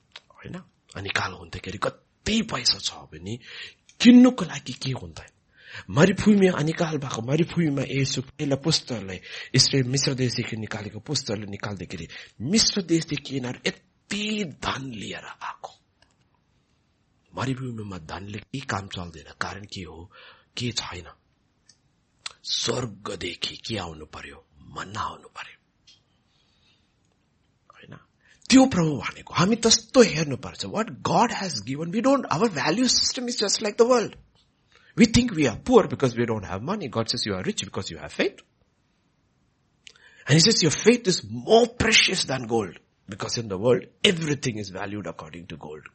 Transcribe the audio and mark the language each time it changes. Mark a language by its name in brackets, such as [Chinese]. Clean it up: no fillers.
[Nepali] होइन, अनिकाल हुँदाखेरि कति पैसा छ भने किन्नुको लागि के हुँदैन? मरिभूमिमा अनिकाल भएको मरिभूमिमा यसो पहिला पुस्तहरूलाई यसरी मिश्र देशदेखि निकालेको पुस्तहरूलाई निकाल्दाखेरि मिश्र देशदेखि यिनीहरू यति धन लिएर आएको। मरिभूमिमा धनले के काम चल्दैन? कारण के हो? के छैन? स्वर्गदेखि के आउनु पर्यो? मन्ना आउनु पर्यो, होइन? त्यो प्रभु भनेको हामी त्यस्तो हेर्नुपर्छ। [English] What God has given, we don't, our value system is just like the world. We think we are poor because we don't have money. God says you are rich because you have faith. And he says your faith is more precious than gold. Because in the world, everything is valued according to gold.